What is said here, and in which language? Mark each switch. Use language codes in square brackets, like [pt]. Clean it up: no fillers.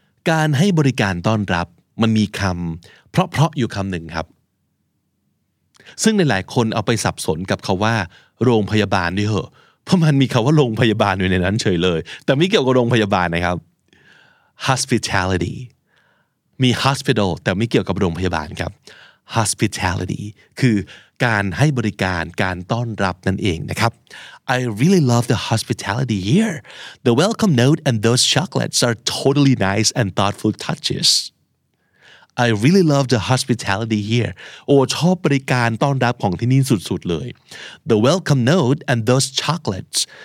[th] การให้บริการต้อนรับมันมีคำเพราะๆอยู่คำหนึ่งครับซึ่งในหลายคนเอาไปสับสนกับคำว่าโรงพยาบาลด้วยเหรอเพราะมันมีคำว่าโรงพยาบาลอยู่ในนั้นเฉยเลยแต่ไม่เกี่ยวกับโรงพยาบาลนะครับ hospitality มี hospital แต่ไม่เกี่ยวกับโรงพยาบาลครับ hospitality คือการให้บริการการต้อนรับนั่นเองนะครับ [en] I really love the hospitality here. The welcome note and those chocolates are totally nice and thoughtful touches. I really love the hospitality here. [th] ชอบบริการต้อนรับของที่นี่สุดๆเลย [en] The welcome note and those chocolates.